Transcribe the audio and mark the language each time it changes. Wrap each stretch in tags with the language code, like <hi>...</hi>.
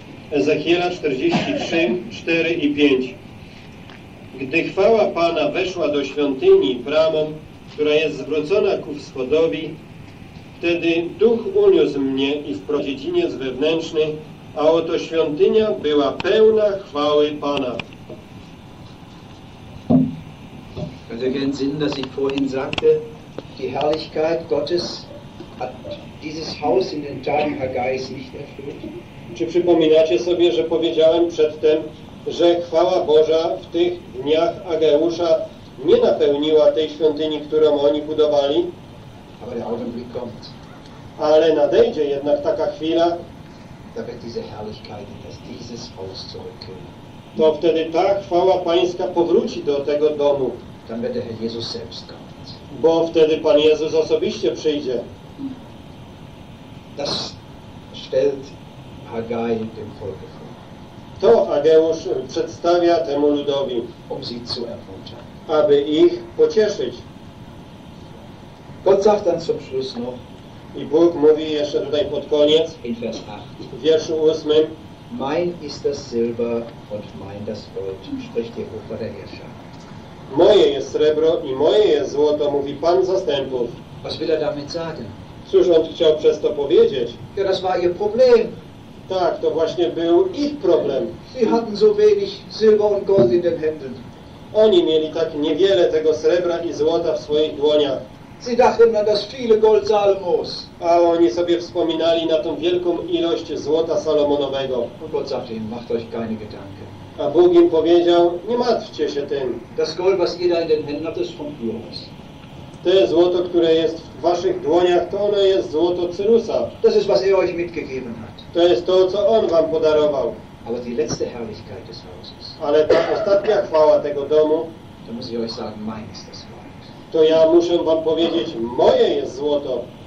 <pl>Ezechiela 43, 4 i 5. Gdy chwała Pana weszła do świątyni bramą, która jest zwrócona ku wschodowi, wtedy duch uniósł mnie i wprowadził dziedziniec wewnętrzny, a oto świątynia była pełna chwały Pana.</pl> <de>Hört ihr den Sinn, dass ich vorhin sagte, die Herrlichkeit Gottes hat dieses Haus in den Tagen Haggais nicht erfüllt?</de> <pl>Czy przypominacie sobie, że powiedziałem przedtem, że chwała Boża w tych dniach Ageusza nie napełniła tej świątyni, którą oni budowali?</pl> <de>Aber der Augenblick kommt.</de> <pl>Ale nadejdzie jednak taka chwila,</pl> <de>da wird diese Herrlichkeit in dieses Haus zurückkehren.</de> <pl>To wtedy ta chwała Pańska powróci do tego domu.</pl> <de>Dann wird der Herr Jesus selbst kommen.</de> <pl>Bo wtedy Pan Jezus osobiście przyjdzie.</pl> <de>Das stellt Haggai dem Volk vor.</de> <pl>To Ageusz przedstawia temu ludowi,</pl> <de>um sie zu ermuntern,</de> <pl>aby ich pocieszyć.</pl> <de>Gott sagt dann zum Schluss noch,</de> <pl>i Bóg mówi jeszcze tutaj pod koniec,</pl> <de>in Vers 8,</de> <pl>w wierszu 8,</pl> <de>mein ist das Silber und mein das Gold, spricht Jehova der Herrscher.</de> <pl>Moje jest srebro i moje jest złoto, mówi Pan zastępów.</pl> <de>Was will er damit sagen?</de> <pl>Cóż on chciał przez to powiedzieć?</pl> <de>Ja, das war ihr Problem.</de> <pl>Tak, to właśnie był ich problem.</pl> <de>Sie hatten so wenig Silber und Gold in den Händen.</de> <pl>Oni mieli tak niewiele tego srebra i złota w swoich dłoniach.</pl> <de>Sie dachten an das viele Gold Salomos.</de> <pl>A oni sobie wspominali na tą wielką ilość złota Salomonowego.</pl> <de>Gott sagte ihnen, macht euch keine Gedanken.</de> <pl>A Bóg im powiedział, nie martwcie się tym.</pl> <de>Das Gold, was ihr da in den Händen habt, ist von Pyrrhus.</de> <pl>Te złoto, które jest w waszych dłoniach, to ono jest złoto Cyrusa.</pl> <de>Das ist, was er euch mitgegeben hat.</de> <pl>To jest to, co on wam podarował.</pl> <de>Aber die letzte Herrlichkeit des Hauses.</de> <pl>Ale ta ostatnia chwała tego domu,</pl> <de>to muss ich euch sagen, mein ist das Gold.</de> <pl>To ja muszę wam powiedzieć, moje jest złoto.</pl>